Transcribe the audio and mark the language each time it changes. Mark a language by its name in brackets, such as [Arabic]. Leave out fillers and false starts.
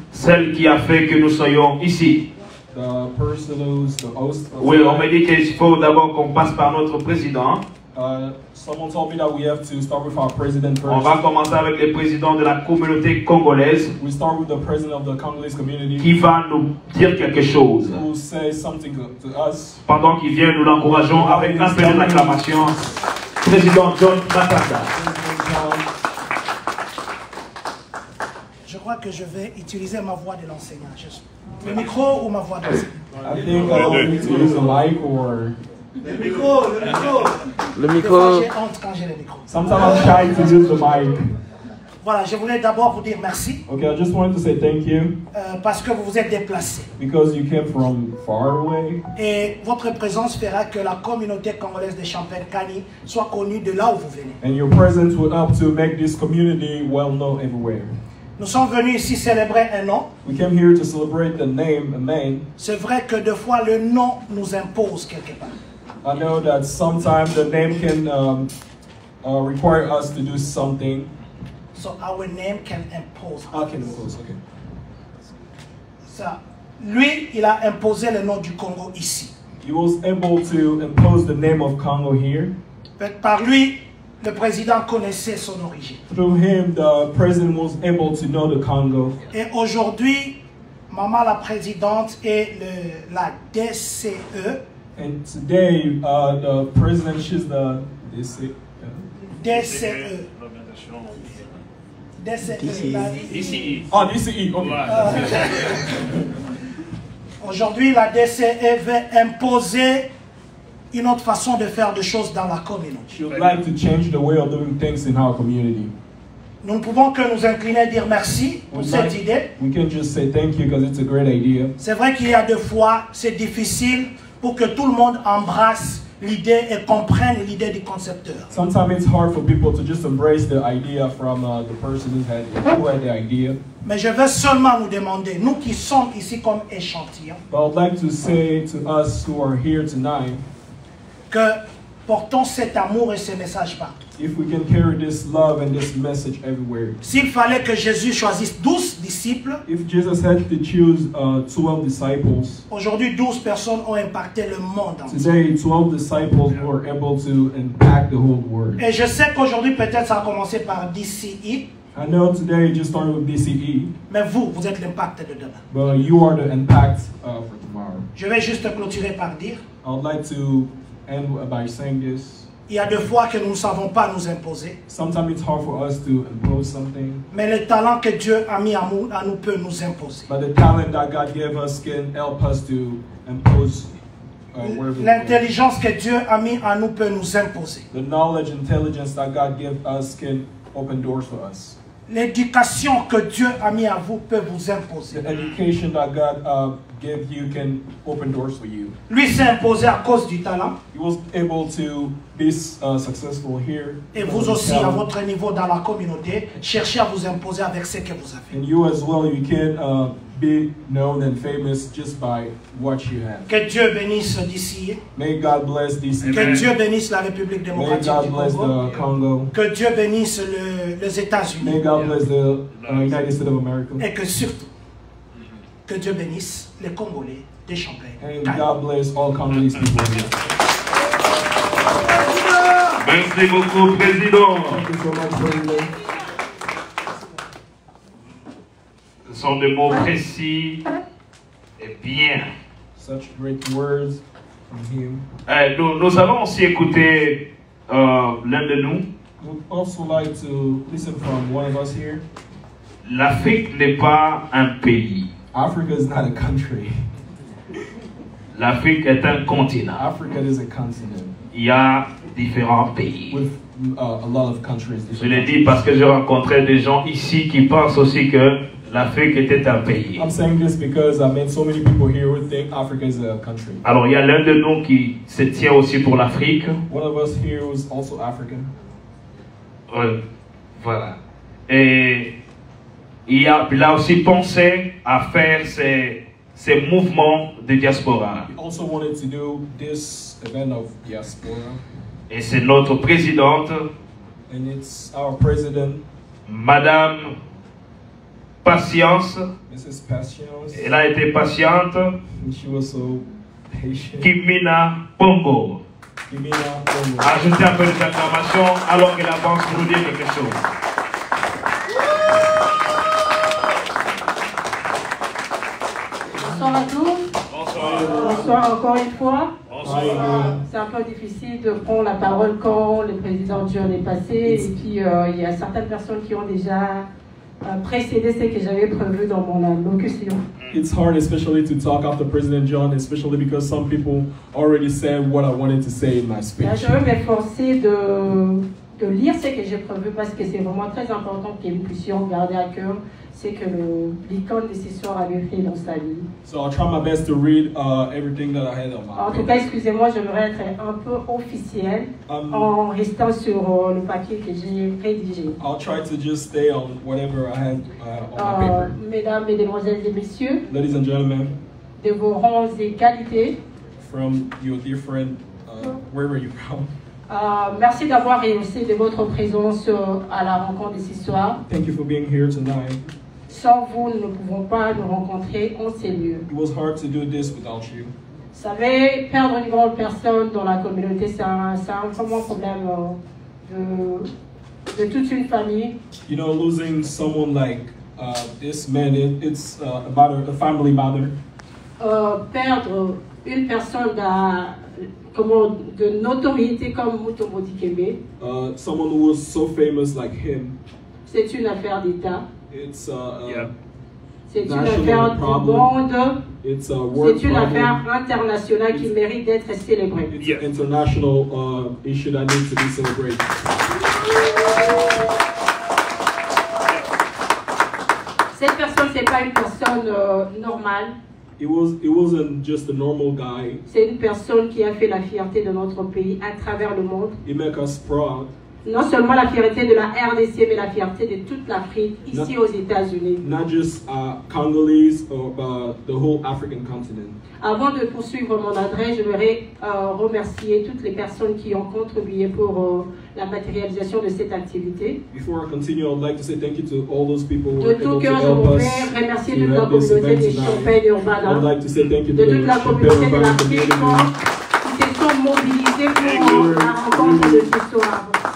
[French] celle qui a fait que nous soyons ici. [English] The person who's the host of [French] oui, on m'a dit qu'il faut d'abord qu'on passe par notre président. [English] Someone told me that we have to start with our president first. [French] On va commencer avec le président de la communauté congolaise. [English] We start with the president of the Congolese community. [French] Qui va nous dire quelque chose. [English] Who says something to us. [French] Pendant qu'il vient, nous l'encourageons avec un peu d'acclamation. Président John Matata. Je crois que je vais utiliser ma voix de l'enseignant. Le micro ou ma voix d'enseignant. [English] I think I'll need to use a mic or... [French] Le micro. [English] Sometimes I'm shy to use the mic. [French] Voilà, je voulais d'abord vous dire merci. [English] Okay, I just wanted to say thank you. [French] Parce que vous vous êtes déplacé. [English] Because you came from far away. [French] Et votre présence fera que la communauté congolaise de Champaign-Kani soit connue de là où vous venez. [English] And your presence will help to make this community well known everywhere. [French] Nous sommes venus ici célébrer un nom. [English] We came here to celebrate the name, a man. [French] C'est vrai que deux fois le nom nous impose quelque part. [English] I know that sometimes the name can require us to do something. So our name can impose. I can impose. Okay. [French] So, lui, il a imposé le nom du Congo ici. [English] He was able to impose the name of Congo here. But [French] par lui, le président connaissait son origine. [English] Through him, the president was able to know the Congo. [French] Et aujourd'hui, maman la présidente et la DCE. [English] And today, the president, she's the DCE. DCE. DCE. DCE. Oh, DCE. [French] Aujourd'hui, la DCE veut imposer une autre façon de faire des choses dans la communauté. [English] She would like to change the way of doing things in our community. [French] Nous ne pouvons que nous incliner et dire merci pour cette idée. [English] We can just say thank you because it's a great idea. [French] C'est vrai qu'il y a deux fois, c'est difficile. Pour que tout le monde embrasse l'idée et comprennent l'idée du concepteur. [English] Sometimes it's hard for people to just embrace the idea from the person who had the idea. [French] Mais je veux seulement vous demander, nous qui sommes ici comme échantillon, [English] but I'd like to say to us who are here tonight, [French] que portons cet amour et ce message partout. [English] If we can carry this love and this message everywhere. [French] S'il fallait que Jésus choisisse 12 disciples, [English] if Jesus had to choose 12 disciples, [French] aujourd'hui 12 personnes ont impacté le monde. [English] Today 12 disciples were able to impact the whole world. [French] Et je sais qu'aujourd'hui peut-être ça a commencé par DCE. [English] I know today it just started with DCE. [French] Mais vous êtes l'impact de demain. [English] But you are the impact for tomorrow. [French] Je vais juste clôturer par dire, [English] I'd like to end by saying this. [French] Il y a des fois que nous ne savons pas nous imposer. [English] Sometimes it's hard for us to impose something. [French] Mais le talent que Dieu a mis à nous peut nous imposer. [English] But the talent that God gave us can help us to impose [French] L'intelligence que Dieu a mis à nous peut nous imposer. [English] The knowledge and intelligence that God gave us can open doors for us. [French] L'éducation que Dieu a mis à vous peut vous imposer. [English] The education that God gave you can open doors for you. [French] Lui s'est imposé à cause du talent. [English] He was able to be successful here. [French] Et vous aussi, à votre niveau dans la communauté, cherchez à vous imposer avec ce que vous avez. [English] And you as well, you can be known and famous just by what you have. [French] Que Dieu bénisse d'ici. [English] May God bless DC. [French] Que Dieu bénisse la République démocratique du Congo. [English] May God bless the Congo. [French] Que Dieu bénisse les États-Unis. [English] May God bless the United States of America. [French] Et que surtout, que Dieu bénisse les Congolais de Champagne. [English] And God bless all Congolese people here. [French] Merci beaucoup, Président. [English] Thank you so much, President. [French] Ce sont des mots précis et bien. [English] Such great words from him. [French] Nous allons aussi écouter l'un de nous. [English] We'd also like to listen from one of us here. [French] L'Afrique n'est pas un pays. [English] Africa is not a country. [French] L'Afrique est un continent. [English] Africa is a continent. [French] Il y a différents pays. [English] With a lot of countries. [French] Je l'ai dit parce que j'ai rencontré des gens ici qui pensent aussi que l'Afrique était un pays. [English] I'm saying this because I met so many people here who think Africa is a country. [French] Alors, il y a l'un de nous qui se tient aussi pour l'Afrique. One of us here was also African. Voilà. Et il a aussi pensé à faire ces mouvements de diaspora. [English] He also wanted to do this event of diaspora. [French] Et c'est notre présidente. [English] And it's our president. [French] Madame Patience. [English] Mrs. Patience. [French] Elle a été patiente. [English] And she was so patient. Kimina Pombo. Kimina Pombo. [French] Ajoutez un peu de acclamation alors qu'elle avance pour nous dire quelque chose. Bonsoir à tous. Bonsoir. Bonsoir encore une fois. Bonsoir. C'est un peu difficile de prendre la parole quand le président John est passé. Et puis il y a certaines personnes qui ont déjà précédé ce que j'avais prévu dans mon allocution. [English] It's hard especially to talk after President John, especially because some people already said what I wanted to say in my speech. [French] Je vais m'efforcer de lire ce que j'ai prévu parce que c'est vraiment très important que nous puissions garder à cœur ce que l'icône de ce soir avait fait dans sa vie. [English] So I'll try my best to read everything that I had on my [French] En tout cas, excusez-moi, j'aimerais être un peu officiel en restant sur le papier que j'ai rédigé. [English] I'll try to just stay on whatever I had on my paper. [French] Mesdames, mesdemoiselles et messieurs, [English] ladies and gentlemen, [French] de vos rangs et qualités, [English] from your dear friend, wherever you come, [French] merci d'avoir réussi de votre présence à la rencontre de ce soir. [English] Thank you for being here tonight. [French] Sans vous, nous ne pouvons pas nous rencontrer en ces lieux. [English] It was hard to do this without you. [French] Vous savez, perdre une grande personne dans la communauté, c'est un vraiment problème de toute une famille. [English] You know, losing someone like this man, it's a matter, a family matter. [French] Perdre une personne de notoriété comme Mutu Modikeme. [English] Someone who was so famous like him. [French] C'est une affaire d'État. [English] It's [French] C'est une affaire [English] problem. [French] Du monde. [English] It's a world [French] c'est une [English] problem. [French] Affaire internationale qui mérite d'être célébrée. [English] It's an international issue that needs to be celebrated. [French] Cette personne, c'est pas une personne normale. [English] It wasn't just a normal guy. [French] C'est une personne qui a fait la fierté de notre pays à travers le monde. [English] He made us proud. [French] Non seulement la fierté de la RDC, mais la fierté de toute l'Afrique ici aux États-Unis. [English] Not just Congolese or the whole African continent. [French] Avant de poursuivre mon adresse, je voudrais remercier toutes les personnes qui ont contribué pour la matérialisation de cette activité. [English] Before I continue, I'd like to say thank you to all those people who were able to help us. [French] De tout cœur, je voudrais remercier toute la communauté des Champagne Urbana. [English] I'd like to say thank you to [French] toute la communauté de l'Afrique qui se sont mobilisés pour la rencontre de ce soir.